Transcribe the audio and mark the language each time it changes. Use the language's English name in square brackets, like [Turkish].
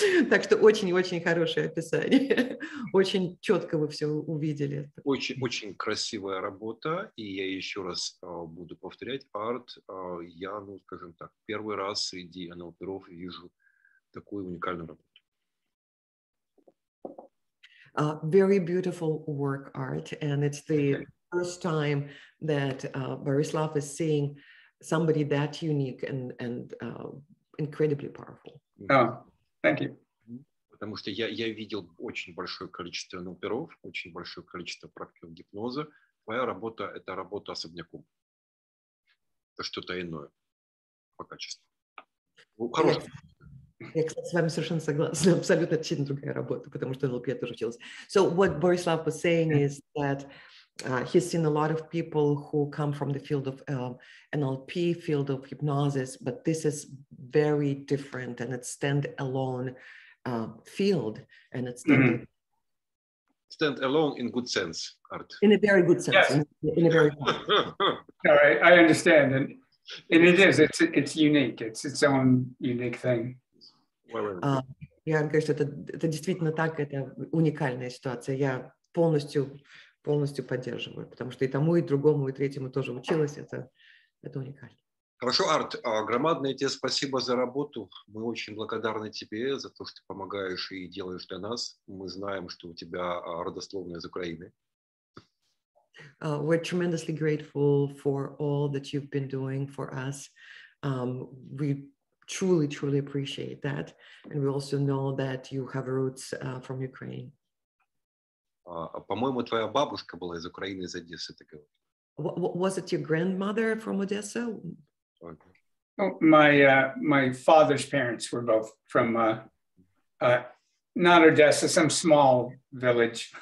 [Russian] Так что очень-очень хорошее описание. Очень четко вы все увидели. Очень-очень красивая работа. И я еще раз буду повторять. Арт, я, ну, скажем так, первый раз среди NLP-ров вижу такую уникальную работу. [English] Very beautiful work, Art. And it's the first time that Borislav is seeing somebody that unique and incredibly powerful. Thank you. [Russian] Потому что я видел очень большое количество NLP-ров, очень большое количество практик гипноза. Твоя работа – это работа особняком. Это что-то иное по качеству. Я, кстати, с вами совершенно согласна. Абсолютно другая работа, потому что NLP я тоже училась. [English] So what Borislav was saying is that he's seen a lot of people who come from the field of NLP, field of hypnosis, but this is very different and it's stand-alone field. And it's stand-alone in good sense, Art. In a very good sense. Yes. In a very good sense. All right, I understand. And it is, it's unique. It's its own unique thing. [Russian] Я говорю, что это действительно так, это уникальная ситуация. Я полностью... полностью поддерживаю, потому что и тому, и другому, и третьему тоже училась. Это уникально. Хорошо, Арт, громадное тебе спасибо за работу. Мы очень благодарны тебе за то, что помогаешь и делаешь для нас. Мы знаем, что у тебя родословная из Украины. [English] We're tremendously grateful for all that you've been doing for us. We truly, truly appreciate that. And we also know that you have roots from Ukraine. [Russian] По-моему, твоя бабушка была из Украины, из Одессы, ты говоришь. [English] Was it your grandmother from Odessa? Okay. My father's parents were both from not Odessa, some small village.